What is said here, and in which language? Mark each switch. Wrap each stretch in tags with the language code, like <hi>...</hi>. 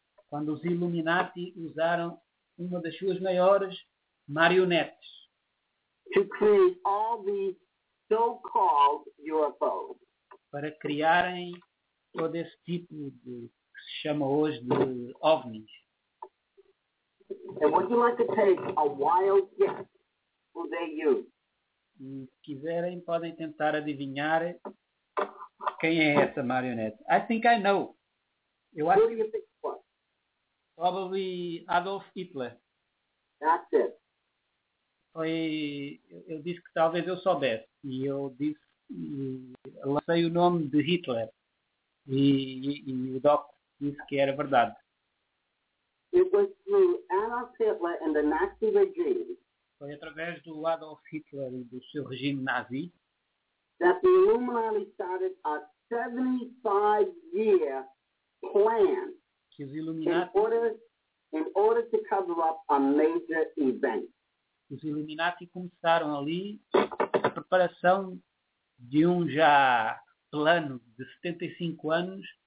<pt>quando os Illuminati usaram uma das suas maiores marionetes</pt> <en>to create all these so-called UFOs,</en> <pt>para criarem todo esse tipo de se chama hoje de OVNIs.</pt> <en>And would you like to take a wild guess who they use?</en> <pt>Se quiserem, podem tentar adivinhar quem é essa marionete.</pt> <en>I think I know.</en> <pt>Eu acho que...</pt> <en>Think what? Probably Adolf Hitler. That's it.</en> <pt>Foi... Eu disse que talvez eu soubesse. E eu disse... Eu lancei o nome de Hitler. E o Doc disse que era verdade.</pt> <en>It was through Adolf Hitler and the Nazi regime.</en> <pt>Foi através do Adolf Hitler e do seu regime nazi.</pt> <en>That the Illuminati started a 75-year plan.</en> <pt>Que os Illuminati,</pt> <en>in order to cover up a major event.</en> <pt>Os Illuminati começaram ali a preparação de um já plano de 75 anos.</pt>